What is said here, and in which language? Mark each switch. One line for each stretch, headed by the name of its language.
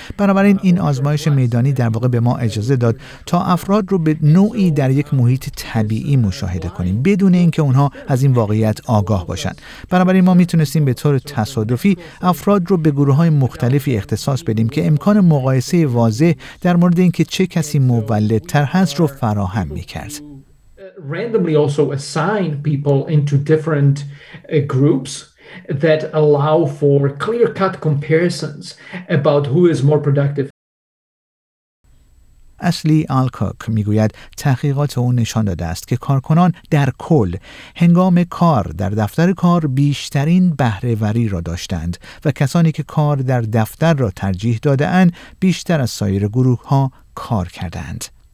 Persian: بنابراین این آزمایش میدانی در واقع به ما اجازه داد تا افراد رو به نوعی در یک محیط طبیعی مشاهده کنیم بدون اینکه اونها از این واقعیت آگاه باشن. بنابراین ما میتونستیم به طور تصادفی افراد رو به گروه‌های مختلفی اختصاص بدیم که امکان مقایسه واضح در مورد اینکه چه کسی مولدتر هست رو فراهم میکرد.
English: Randomly also assign people into different groups that allow for clear-cut comparisons about who is more productive.
Persian: اصلی آلکوک میگوید تحقیقات او نشان داده است که کارکنان در کل هنگام کار در دفتر کار بیشترین بهره وری را داشتند و کسانی که کار در دفتر را ترجیح داده اند بیشتر از سایر گروه ها کار کردند.